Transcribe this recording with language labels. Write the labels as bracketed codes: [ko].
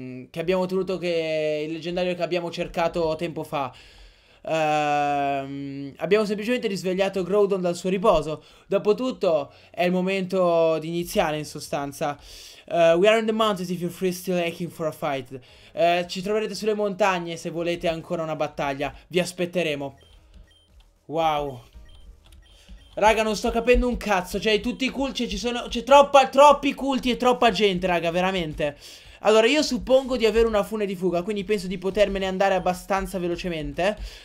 [it] Che abbiamo ottenuto che il leggendario che abbiamo cercato tempo fa. Abbiamo semplicemente risvegliato Groudon dal suo riposo. Dopotutto, è il momento di iniziare, in sostanza. [en] We are in the mountains if you're still aching for a fight. [it] Ci troverete sulle montagne se volete ancora una battaglia. Vi aspetteremo. Wow. Raga, non sto capendo un cazzo. Cioè, tutti i culti, cioè, ci sono. C'è troppi culti e troppa gente, raga, veramente. Allora, io suppongo di avere una fune di fuga, quindi penso di potermene andare abbastanza velocemente.